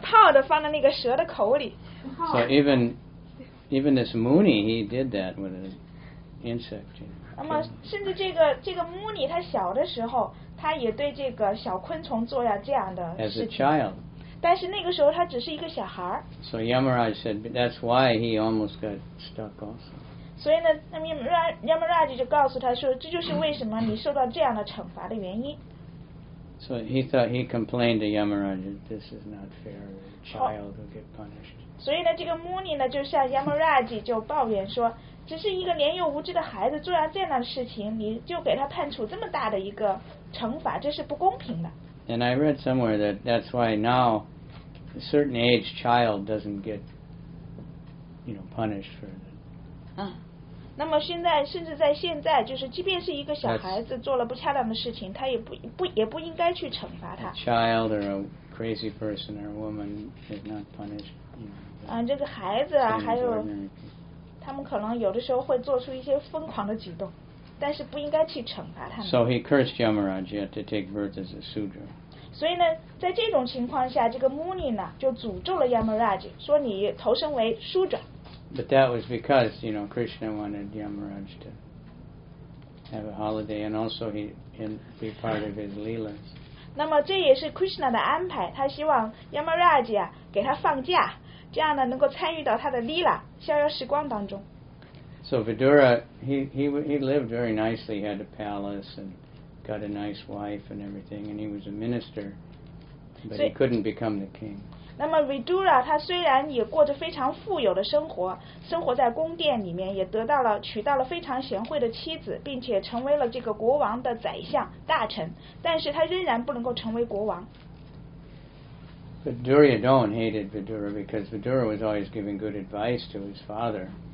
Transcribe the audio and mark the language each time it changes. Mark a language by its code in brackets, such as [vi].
[en] So even this Muni, he did that with an insect. You know. [zh] 那么，甚至这个 Muni 他小的时候，他也对这个小昆虫做了这样的事情。 [en] As a child. [zh] 但是那个时候他只是一个小孩。 [en] So Yamaraj said that's why he almost got stuck also. [zh] 所以呢，那么 Yamaraj 就告诉他说，这就是为什么你受到这样的惩罚的原因。 [en] So he thought he complained to Yamaraj, this is not fair. A child will get punished. [zh] 所以呢，这个 Muni 呢就向 Yamaraj 就抱怨说。只是一个年幼无知的孩子做了这样的事情，你就给他判处这么大的一个惩罚，这是不公平的。 [en] And I read somewhere that that's why now a certain age child doesn't get, you know, punished for it. [zh] 那么现在，甚至在现在，就是即便是一个小孩子做了不恰当的事情，他也不应该去惩罚他。 [en] A child or a crazy person or a woman is not punished. [zh] 这个孩子啊，还有。他们可能有的时候会做出一些疯狂的举动，但是不应该去惩罚他们。 [en] So he cursed Yamaraj to take birth as a sudra. [zh] 所以呢，在这种情况下，这个 Muni 呢就诅咒了 Yamaraj， 说你投生为 sudra。 [en] But that was because you know Krishna wanted Yamaraj to have a holiday and also he can be part of his leelas. [zh] 那么这也是 Krishna 的安排，他希望 Yamaraj 啊给他放假。这样呢，能够参与到他的 Lila 逍遥时光当中。 [en] So Vidura, he lived very nicely. He had a palace and got a nice wife and everything, and he was a minister, but he couldn't become the king. [zh] 那么 Vidura 他虽然也过着非常富有的生活，生活在宫殿里面，也得到了娶到了非常贤惠的妻子，并且成为了这个国王的宰相大臣，但是他仍然不能够成为国王。 [en] But Duryodhana hated Vidura because Vidura was always giving good advice to his father.